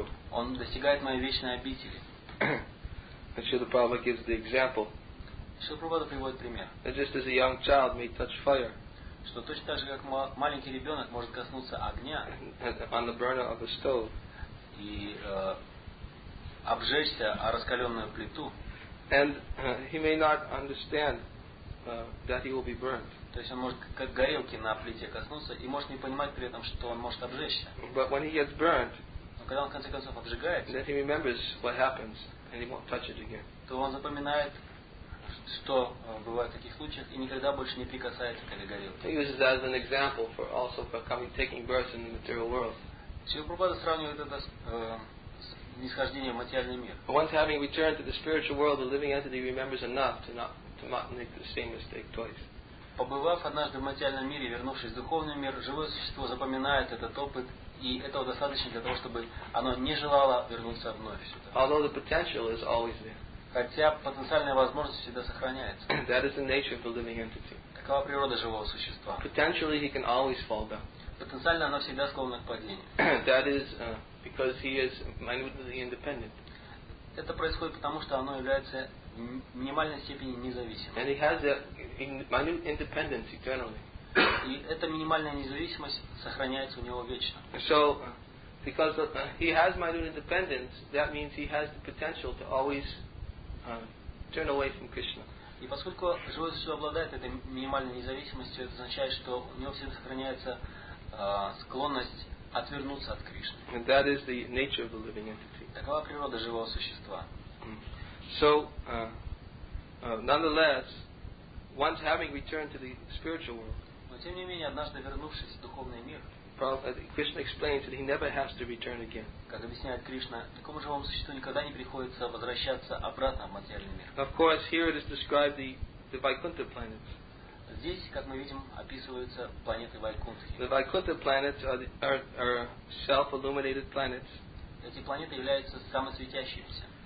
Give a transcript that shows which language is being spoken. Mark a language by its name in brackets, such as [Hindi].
[Russian] Он достигает моей вечной обители. [English] Шрила Прабхупада gives the example. [Russian] Шрила Прабхупада приводит пример. [English] Just as a young child may touch fire. [Russian] Что точно так же, как маленький ребенок может коснуться огня. [English] On the burner of a stove. [Russian] И обжечься о раскаленную плиту. [English] And he may not understand that he will be burned. [Russian] То есть он может как горелки на плите коснуться и может не понимать при этом, что он может обжечься. [English] But when he gets burned, [Russian] но когда он в конце концов обжигается, [English] then he remembers what happens and he won't touch it again. [Russian] То он запоминает, что бывает в таких случаях и никогда больше не прикасается к этой горелке. [English] He uses that as an example for also for coming taking birth in the material world. [Russian] Шрила Прабхупада сравнивает это с нисхождение в материальный мир. [English] Once having returned to the spiritual world, the living entity remembers enough to not make the same mistake twice. [Russian] Побывав однажды в материальном мире, вернувшись в духовный мир, живое существо запоминает этот опыт, и этого достаточно для того, чтобы оно не желало вернуться вновь сюда. [English] Although the potential is always there. [Russian] Хотя потенциальная возможность всегда сохраняется. [English] That is the nature of the living entity. [Russian] Такова природа живого существа. [English] Potentially he can always fall down. [Russian] Потенциально оно всегда склонно к падению. [English] That is because he is minutely independent. [Russian] Это происходит потому, что оно является в минимальной степени независимым. [English] And he has a minute independence eternally. [Russian] И эта минимальная независимость сохраняется у него вечно. [English] So, because he has minute independence, that means he has the potential to always turn away from Krishna. [Russian] И поскольку живое существо обладает этой минимальной независимостью, это означает, что у него всегда сохраняется склонность отвернуться от Кришны. [English] And that is the nature of the living entity. [Russian] Такова природа живого существа. [English] So, nonetheless, once having returned to the spiritual world. [Russian] Но тем не менее, однажды вернувшись в духовный мир, [English] Krishna explains that he never has to return again. [Russian] Как объясняет Кришна, такому живому существу никогда не приходится возвращаться обратно в материальный мир. [English] Of course, here it is described the Vaikuntha planets. [Russian] Здесь, как мы видим, описываются планеты Вайкунтхи. [English] The Vaikuntha planets are self-illuminated planets. [Russian] Эти планеты являются самосветящимися.